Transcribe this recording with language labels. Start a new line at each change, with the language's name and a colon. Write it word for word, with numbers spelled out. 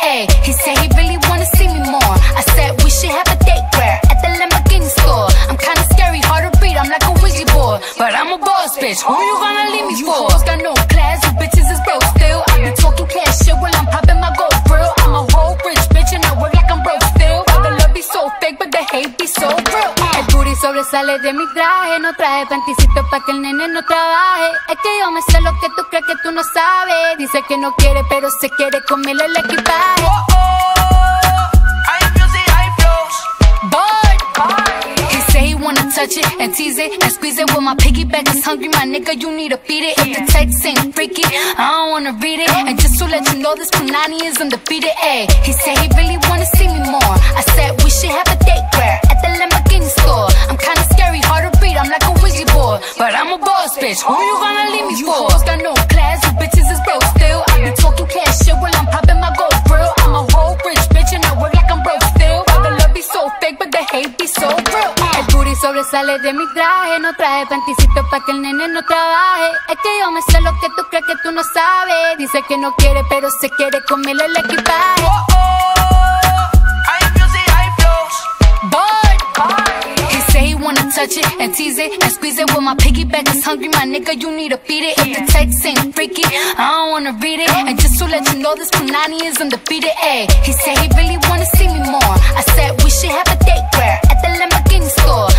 English: Ayy, he said he really wanna see me more. I said we should have a date where at the Lamborghini store. I'm kinda scary, hard to read, I'm like a Ouija board, but I'm a boss bitch. Who you gonna leave me you for? Just got no class, you bitches is broke still. I be talking cash shit while I'm popping my gold grill. I'm a whole rich bitch and I work like I'm broke still. The love be so fake, but the hate be so real.
Spanish: El booty sobresale de mi traje, no traje panticito pa' que el nene no trabaje. Es que yo me sé lo que tú crees que tú no sabes. Dice que no quiere, pero se quiere comerle el equipaje.
English: Oh, oh, high music, high flows. Boy, boy. He say he wanna touch it and tease it and squeeze it. When my piggyback is hungry, my nigga, you need to feed it. If the text ain't freaky, I don't wanna read it. And just to let you know, this Punani is undefeated. Ayy, he say he really wanna see me more. I said we should have a date where at the Lamborghini store. I'm kinda scary, hard to read, I'm like a Ouija board, but I'm a boss bitch. Who you gonna leave me You for? hoes Got no class, you bitches is broke still. I be talking cash shit while I'm popping my gold grill. I'm a whole rich bitch and I work like I'm broke still. The love be so fake, but the hate be so real.
Spanish: El booty sobresale de mi traje, no traje panticito pa' que el nene no trabaje. Es que yo me sé lo que tú crees que tú no sabes. Dice que no quiere, pero se quiere comerle el equipaje.
English: Oh, oh, high music, high flows. Boy, boy. He say he wanna touch it and tease it and squeeze it. When my piggyback is hungry, my nigga, you need to feed it. If the text ain't freaky, I don't wanna read it. And just to let you know, this Punani is undefeated. Ayy, he say he really wanna see me more. I said we should have a date where at the Lamborghini store.